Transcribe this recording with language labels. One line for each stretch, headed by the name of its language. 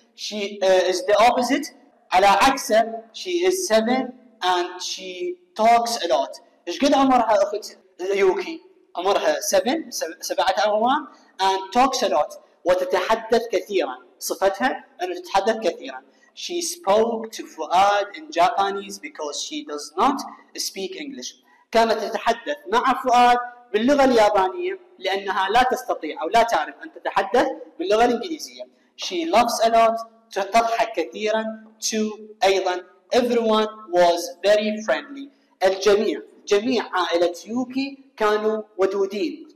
English: She is the opposite.
Arabic: على عكسه.
English: She is 7 and she talks a lot.
Arabic: إيش قد عمرها أخت يوكي؟ عمرها 7 أعوام
English: and talks a lot
Arabic: وتتحدث كثيرا. صفتها أنها تتحدث كثيرا.
English: She spoke to Fuad in Japanese because she does not speak English.
Arabic: كانت تتحدث مع فؤاد باللغة اليابانية لأنها لا تستطيع أو لا تعرف أن تتحدث باللغة الإنجليزية.
English: She loves a lot.
Arabic: تضحك كثيرا.
English: To
Arabic: أيضا.
English: Everyone was very friendly.
Arabic: الجميع، جميع عائلة يوكي كانوا ودودين.